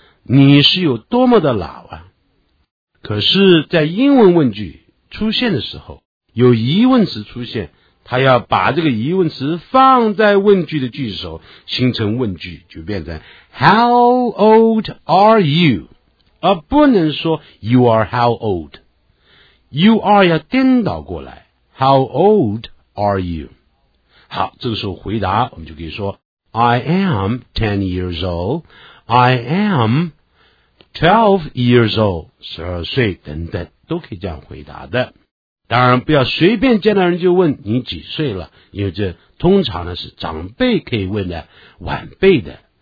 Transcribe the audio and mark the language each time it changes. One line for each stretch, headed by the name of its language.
Chinese: 你是有多么的老啊？可是在英文问句出现的时候，有疑问词出现，他要把这个疑问词放在问句的句首，形成问句，就变成
English: How old are you?
Chinese: 而不能说
English: You are how old? You are
Chinese: 要颠倒过来
English: How old are you?
Chinese: 好，这个时候回答我们就可以说
English: I am 10 years old,
Chinese: I am 12 years old, 12岁等等，都可以这样回答的。当然不要随便见到人就问你几岁了，因为这通常呢是长辈可以问的，晚辈的。